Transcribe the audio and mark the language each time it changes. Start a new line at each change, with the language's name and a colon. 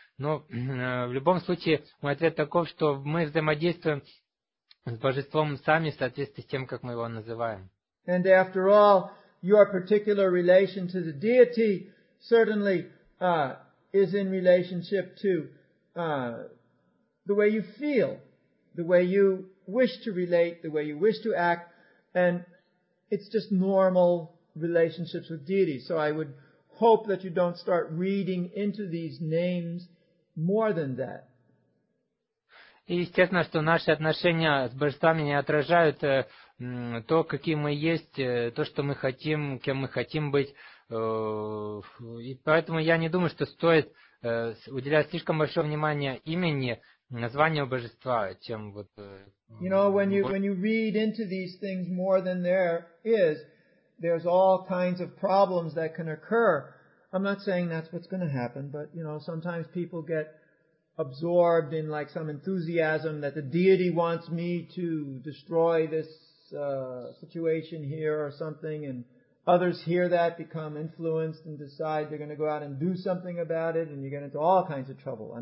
Russian: Но в любом случае мой ответ таков, что мы взаимодействуем с Божеством сами в соответствии с тем, как мы его называем.
English: And after all, your particular relation to the deity certainly is in relationship to the way you feel, the way you wish to relate, the way you wish to act, and it's just normal relationships with deities. So I would hope that you don't start reading into these names more than that.
Russian: И естественно, что наши отношения с божествами не отражают то, какие мы есть, то, что мы хотим, кем мы хотим быть. И поэтому я не думаю, что стоит уделять слишком большое внимание имени, названию божества, чем вот...
English: You know, when you read into these things more than there is, there's all kinds of problems that can occur. I'm not saying that's what's going to happen, but, you know, sometimes people get absorbed in like some enthusiasm that the deity wants me to destroy this situation here or something, and others hear that, become influenced and decide they're going to go out and do something about it, and you get into all kinds of trouble.